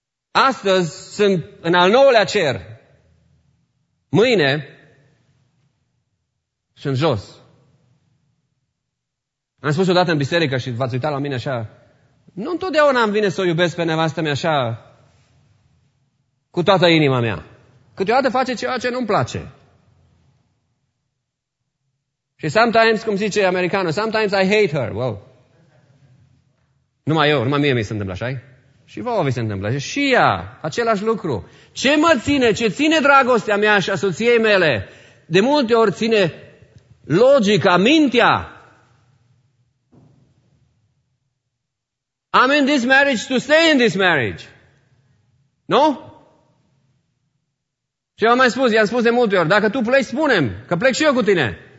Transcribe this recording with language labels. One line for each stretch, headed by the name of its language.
Romanian: Astăzi sunt în al nouălea cer. Mâine sunt jos. Am spus odată în biserică și v-ați uitat la mine așa, nu întotdeauna îmi vine să o iubesc pe nevastă mea așa, cu toată inima mea. Câteodată face ceva ce nu-mi place.
English: Și sometimes,
Romanian: cum zice americanul,
English: sometimes I hate her. Wow.
Romanian: Numai eu, numai mie mi se întâmplă așa. Și vouă vi se întâmplă. Și ea, același lucru. Ce mă ține? Ce ține dragostea mea și a soției mele? De multe ori ține logica, mintea.
English: I'm in this marriage to stay in this marriage.
Romanian: Nu? Și eu am mai spus, i-am spus de multe ori, dacă tu pleci, spune-mi, că plec și eu cu tine.